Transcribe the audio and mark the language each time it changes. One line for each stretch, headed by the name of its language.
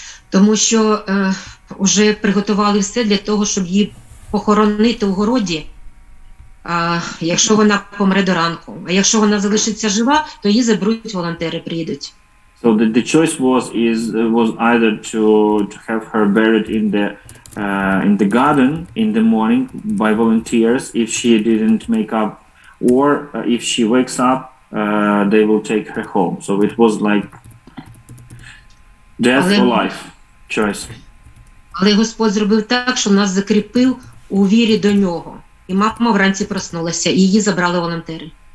Ukrainian: Тому що вже приготували все для того, щоб її похоронити в городі, якщо вона помре до ранку. А якщо вона залишиться жива, то її заберуть волонтери, приїдуть.
English: So the choice was either to have her buried in the garden in the morning by volunteers if she didn't make up, or if she wakes up, they will take her home. So it was like death or life choice.
Ukrainian: Але Господь зробив так, що нас закріпив у вірі до нього, і мама вранці проснулася, і її забрали волонтери.